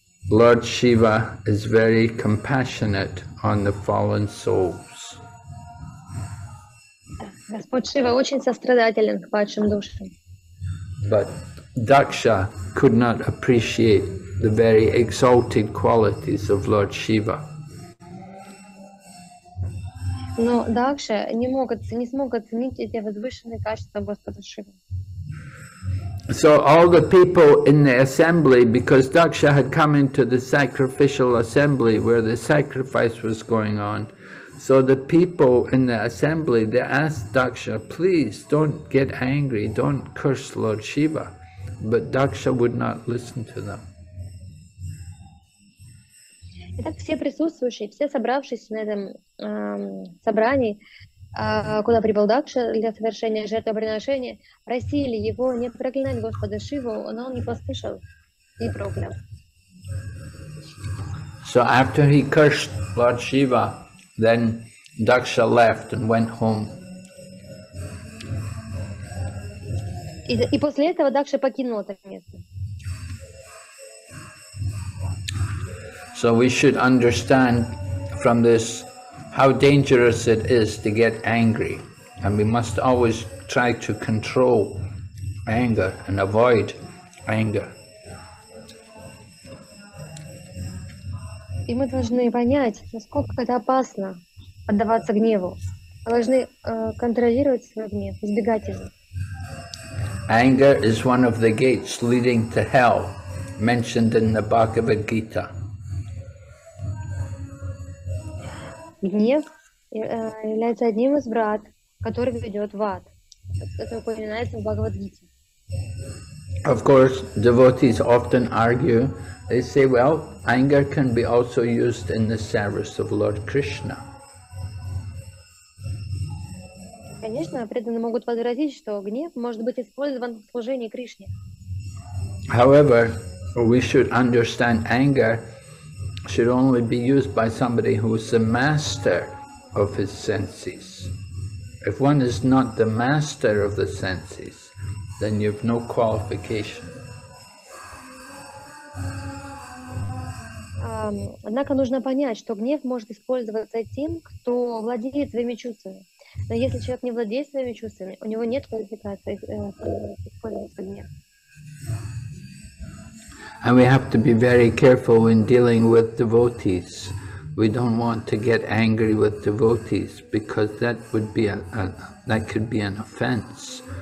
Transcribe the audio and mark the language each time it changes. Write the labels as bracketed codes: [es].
[en] Lord Shiva is very compassionate on the fallen souls. [ru] Господь Шива очень сострадателен к падшим душам. [en] But Daksha could not appreciate the very exalted qualities of Lord Shiva. [ru] Но Дакша не смог оценить эти возвышенные качества Господа Шивы. [en] So all the people in the assembly, because Daksha had come into the sacrificial assembly where the sacrifice was going on, so the people in the assembly, they asked Daksha, please don't get angry, don't curse Lord Shiva. But Daksha would not listen to them. [ru] Итак, все присутствующие, все собравшись на этом собрании, куда прибыл Дакша для совершения жертвоприношения, просили его не проклинать Господа Шиву, но он не послушал и проклял. [en] So after he cursed Lord Shiva, then Daksha left and went home. [ru] И после этого Дакша покинул это место. [en] So we should understand from this how dangerous it is to get angry, and we must always try to control anger and avoid anger. [ru] И мы должны понять, насколько это опасно поддаваться гневу. Мы должны контролировать свой гнев, избегать его. [en] Anger is one of the gates leading to hell, mentioned in the Bhagavad Gita. [ru] Гнев является одним из врат, который ведет в ад. Это упоминается в Бхагавад-гите. [en] Of course, devotees often argue. They say, well, anger can be also used in the service of Lord Krishna. [ru] Конечно, преданные могут возразить, что гнев может быть использован в служении Кришне. [en] However, we should understand anger should only be used by somebody who is the master of his senses. If one is not the master of the senses, then you have no qualification. [ru] Однако нужно понять, что гнев может использоваться тем, кто владеет своими чувствами. Но если человек не владеет своими чувствами, у него нет квалификации использоваться гнев. [en] And we have to be very careful in dealing with devotees. We don't want to get angry with devotees, because that would be that could be an offense.